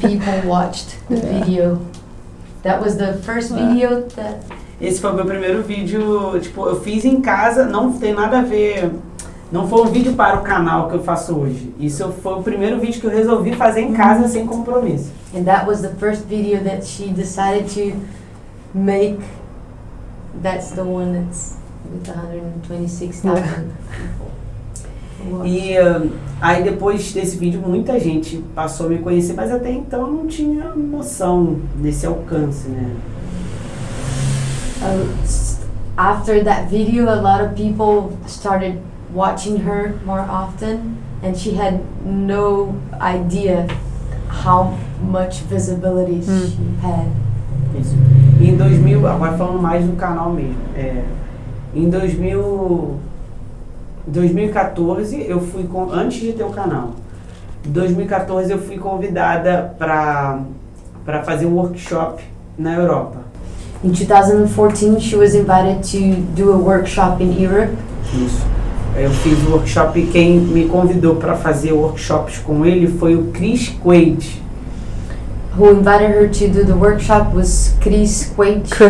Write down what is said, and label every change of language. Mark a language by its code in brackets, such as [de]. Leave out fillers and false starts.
[en] people watched the video. That was the first video that... [pt] Esse foi o meu primeiro vídeo, tipo, eu fiz em casa, não tem nada a ver, não foi um vídeo para o canal que eu faço hoje. Isso foi o primeiro vídeo que eu resolvi fazer em casa sem compromisso. [en] And that was the first video that she decided to make, that's the one that's... With 126,000. [pt] E aí depois desse vídeo muita gente passou a me conhecer, mas até então eu não tinha noção desse alcance, né? [en] After that video, a lot of people started watching her more often, and she had no idea how much visibility she had. [pt] Isso. E em 2000, agora falando mais do canal mesmo, em 2014, eu fui antes de ter o canal. Em 2014 eu fui convidada para fazer um workshop na Europa. [en] In 2014 she was invited to do a workshop in Europe. [pt] Isso. Eu fiz o workshop e quem me convidou para fazer workshops com ele foi o Chris Quaid. [en] who invited her to do the workshop was Chris Quaid.